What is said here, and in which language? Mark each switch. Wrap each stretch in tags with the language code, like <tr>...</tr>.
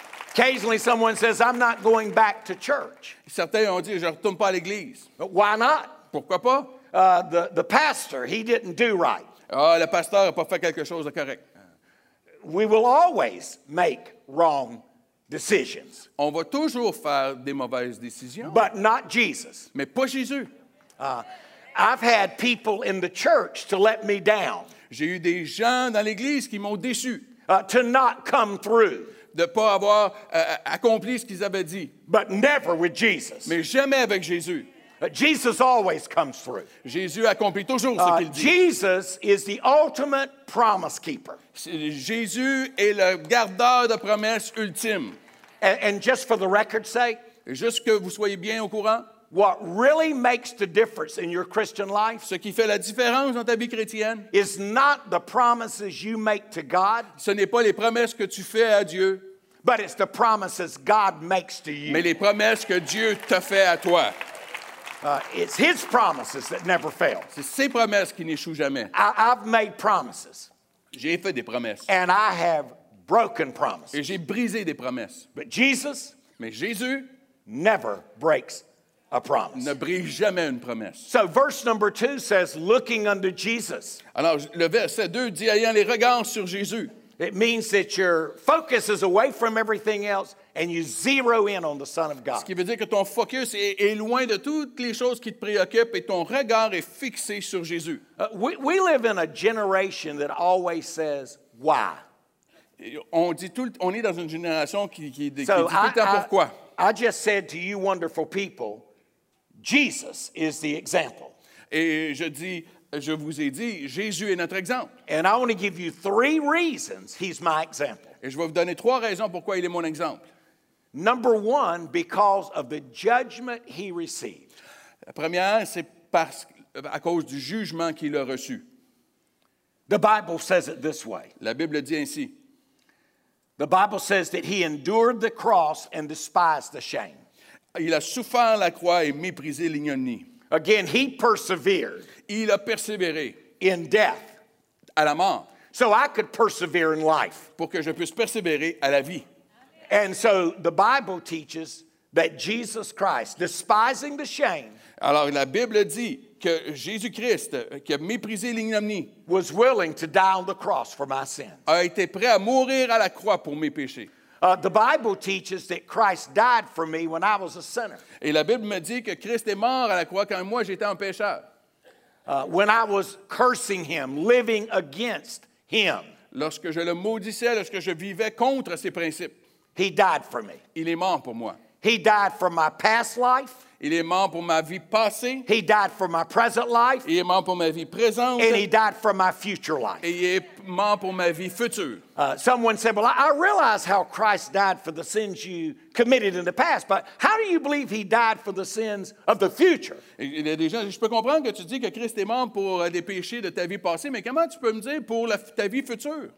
<en>Occasionally, someone says, "I'm not going back to church."</en> <fr>Certains ont dit, "Je retourne pas à l'église."</fr> <en>But why not?</en> <fr>Pourquoi pas?</fr> <en>The pastor, he didn't do right.</en> <fr>Ah, le pasteur a pas fait quelque chose de correct.</fr> <en>We will always make wrong decisions.</en> <fr>On va toujours faire des mauvaises décisions.</fr> <en>But not Jesus.</en> <fr>Mais pas Jésus.</fr> <en>I've had people in the church to let me down.</en> <fr>J'ai eu des gens dans l'église qui m'ont déçu.</fr> <en>To not come through.</en> <fr>De pas avoir accompli ce qu'ils avaient dit.</fr> <en>But never with Jesus.</en> <fr>Mais jamais avec Jésus.</fr> <en>Jesus always comes through.</en> <fr>Jésus accomplit toujours ce qu'il dit.</fr> <en>Jesus is the ultimate promise keeper.</en> <fr>Jésus est le gardeur de promesses ultime.</fr> <en>And just for the record's sake,</en> <fr>juste que vous soyez bien au courant,</fr> <en>what really makes the difference in your Christian life,</en> <fr>ce qui fait la différence dans ta vie chrétienne,</fr> <en>is not the promises you make to God.</en> <fr>Ce n'est pas les promesses que tu fais à Dieu.</fr> <en>But it's the promises God makes to you.</en> <fr>Mais les promesses que Dieu te fait à toi.</fr> <en>It's His promises that never fail.</en> <fr>C'est ses promesses qui n'échouent jamais.</fr> <en>I've made promises.</en> <fr>J'ai fait des promesses.</fr> <en>And I have broken promises.</en> <fr>Et j'ai brisé des promesses.</fr> <en>But Jesus,</en> <fr>mais Jésus,</fr> <en>never breaks a promise.</en> <fr>Ne brise jamais une promesse.</fr> <en>So verse number 2 says, looking unto Jesus.</en> <fr>Alors le verset 2 dit ayant les regards sur Jésus.</fr> <en>It means that your focus is away from everything else and you zero in on the Son of God.</en> <fr>Ce qui veut dire que ton focus est loin de toutes les choses qui te préoccupent et ton regard est fixé sur Jésus.</fr> <en>We live in a generation that always says why.</en> <fr>On est dans une génération qui dit tout le temps pourquoi.</fr> <en>I just said to you wonderful people, Jesus is the example.</en> <fr>Et je vous ai dit, Jésus est notre exemple.</fr> <en>And I want to give you three reasons he's my example.</en> <fr>Et je vais vous donner trois raisons pourquoi il est mon exemple.</fr> <en>Number one, because of the judgment he received.</en> <fr>La première, c'est à cause du jugement qu'il a reçu.</fr> <en>The Bible says it this way.</en> <fr>La Bible dit ainsi.</fr> <en>The Bible says that he endured the cross and despised the shame.</en> <fr>Il a souffert la croix et méprisé l'ignominie.</fr> <en>Again, he persevered.</en> <fr>Il a persévéré.</fr> <en>In death.</en> <fr>À la mort.</fr> <en>So I could persevere in life.</en> <fr>Pour que je puisse persévérer à la vie.</fr> <en>And so the Bible teaches that Jesus Christ, despising the shame,</en> <fr>alors la Bible dit que Jésus-Christ, qui a méprisé l'ignominie,</fr> <en>was willing to die on the cross for my sins.</en> <fr>A été prêt à mourir à la croix pour mes péchés.</fr> <en>The Bible teaches that Christ died for me when I was a sinner.</en> <fr>Et la Bible me dit que Christ est mort à la croix quand moi j'étais un pécheur.</fr> <en>When I was cursing him, living against him.</en> <fr>Lorsque je le maudissais, lorsque je vivais contre ses principes.</fr> <en>He died for me.</en> <fr>Il est mort pour moi.</fr> <en>He died for my past life.</en> <fr>Il est mort pour ma vie passée.</fr> <en>He died for my present life.</en> <fr>Il est mort pour ma vie présente.</fr> <en>And he died for my future life.</en> <fr>Et il est mort pour ma vie future.</fr> <en>Someone said, well, I realize how Christ died for the sins you committed in the past, but how do you believe he died for the sins of the future?</en> <fr>Il y a des gens, je peux comprendre que tu dis que Christ est mort pour des péchés de ta vie passée, mais comment tu peux me dire pour ta vie future?</fr>